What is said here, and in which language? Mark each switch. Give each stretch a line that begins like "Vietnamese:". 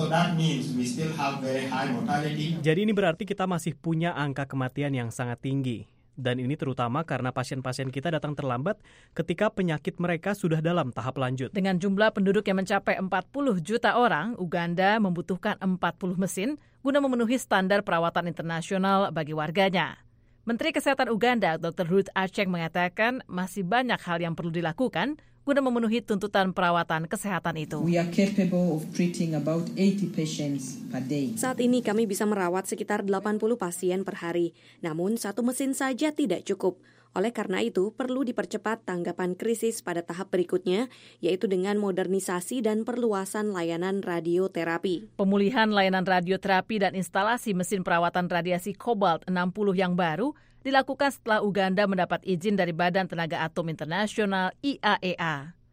English: So that means we still have very high mortality.
Indonesian: Jadi ini berarti kita masih punya angka kematian yang sangat tinggi. Dan ini terutama karena pasien-pasien kita datang terlambat ketika penyakit mereka sudah dalam tahap lanjut. Dengan jumlah penduduk yang mencapai 40 juta orang, Uganda membutuhkan 40 mesin guna memenuhi standar perawatan internasional bagi warganya. Menteri Kesehatan Uganda, Dr. Ruth Acheng, mengatakan masih banyak hal yang perlu dilakukan guna memenuhi tuntutan perawatan kesehatan itu.
English: We are capable of treating about 80 patients per day.
Indonesian: Saat ini kami bisa merawat sekitar 80 pasien per hari. Namun, satu mesin saja tidak cukup. Oleh karena itu, perlu dipercepat tanggapan krisis pada tahap berikutnya, yaitu dengan modernisasi dan perluasan layanan radioterapi. Pemulihan layanan radioterapi dan instalasi mesin perawatan radiasi kobalt 60 yang baru dilakukan setelah Uganda mendapat izin dari Badan Tenaga Atom Internasional IAEA.